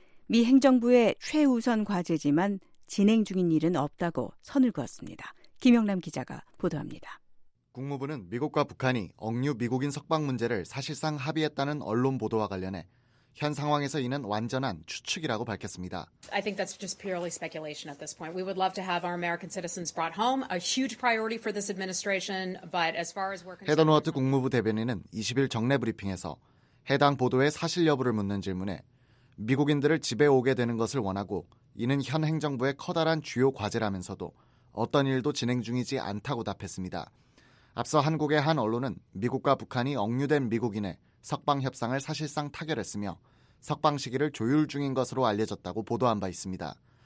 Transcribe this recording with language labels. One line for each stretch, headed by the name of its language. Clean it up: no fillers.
Korean: 미 행정부의 최우선 과제지만 진행 중인 일은 없다고 선을 그었습니다. 김영남 기자가 보도합니다. 국무부는 미국과 북한이 억류 미국인 석방 문제를 사실상 합의했다는 언론 보도와 관련해 현 상황에서 이는 완전한 추측이라고 밝혔습니다.
English: I think that's just purely speculation at this point. We would love to have our American citizens brought home, a huge priority for this administration, but as far as we're concerned.
Korean: 헤더 노아트 국무부 대변인은 20일 정례 브리핑에서 해당 보도의 사실 여부를 묻는 질문에 미국인들을 집에 오게 되는 것을 원하고 이는 현 행정부의 커다란 주요 과제라면서도 어떤 일도 진행 중이지 않다고 답했습니다. 앞서 한국의 한 언론은 미국과 북한이 억류된 미국인의 석방 협상을 사실상 타결했으며 석방 시기를 조율 중인 것으로 알려졌다고 보도한 바 있습니다.